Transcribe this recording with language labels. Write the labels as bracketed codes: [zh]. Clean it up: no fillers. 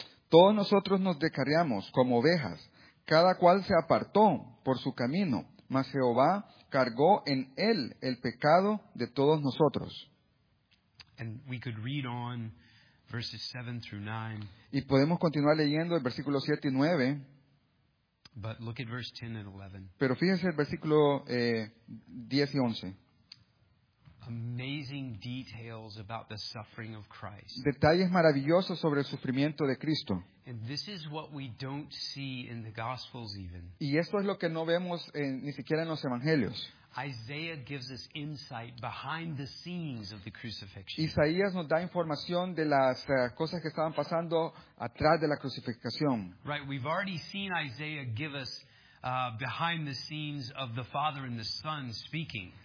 [es] Todos nosotros nos descarriamos como ovejas. Cada cual se apartó por su camino. Mas Jehová cargó en él el pecado de todos nosotros. [en] And we could read on. Verses 7 through 9. [es] Y podemos continuar leyendo el versículo 7 y 9. [en] But look at verse 10 and 11. [es] Pero fíjense el versículo 10 y 11. [en] amazing details about the suffering of Christ. [es] Detalles maravillosos sobre el sufrimiento de Cristo. [en] And this is what we don't see in the Gospels even. [es] Y esto es lo que no vemos ni siquiera en los Evangelios. [en] Isaiah gives us insight behind the scenes of the crucifixion. [es] Isaías nos da información de las cosas que estaban pasando atrás de la crucificación. [en] Right, we've already seen Isaiah give us behind the scenes of the Father and the Son speaking.